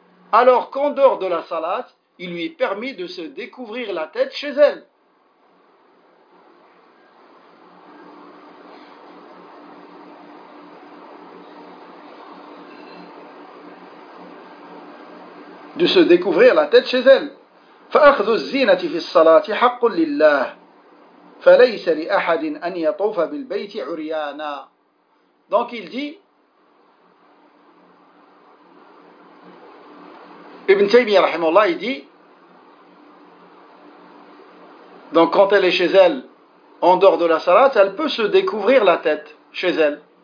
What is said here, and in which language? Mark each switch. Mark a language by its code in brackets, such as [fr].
[fr] Alors qu'en dehors de la salat, il lui est permis de se découvrir la tête chez elle. De se découvrir la tête chez elle. [ar] فأخذ الزينة في الصلاة حق لله فليس لأحد أن يطوف بالبيت عريانا. [fr] Donc il dit Ibn Taymiyyah rahimahullah, il dit, donc quand elle est chez elle, en dehors de la salat, elle peut se découvrir la tête chez elle.